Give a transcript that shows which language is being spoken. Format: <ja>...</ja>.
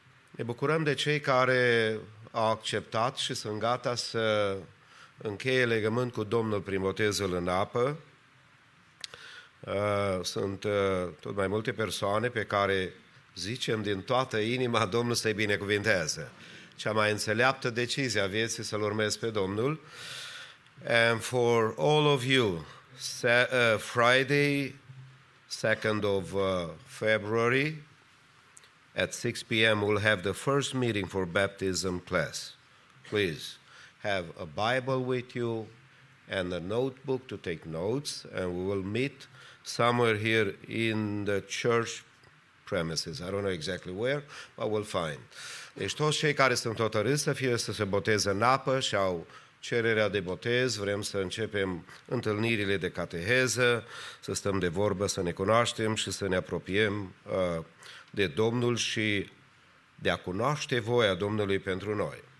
<ro>Ne bucurăm de cei care au acceptat și sunt gata să încheie legământ cu Domnul prin botezul în apă. Sunt tot mai multe persoane pe care zicem din toată inima, Domnul să-i binecuvinteze. Cea mai înțeleaptă decizie a vieții să-L urmezi pe Domnul.</ro> <en>And for all of you, Friday, 2nd of February, at 6 p.m. we'll have the first meeting for baptism class. Please, have a Bible with you and a notebook to take notes, and we will meet somewhere here in the church premises. I don't know exactly where, but we'll find.</en> <ro>Deci toți cei care sunt hotărâți să fie să se boteze în apă și au cererea de botez, vrem să începem întâlnirile de cateheză, să stăm de vorbă, să ne cunoaștem și să ne apropiem de Domnul și de a cunoaște voia Domnului pentru noi.</ro>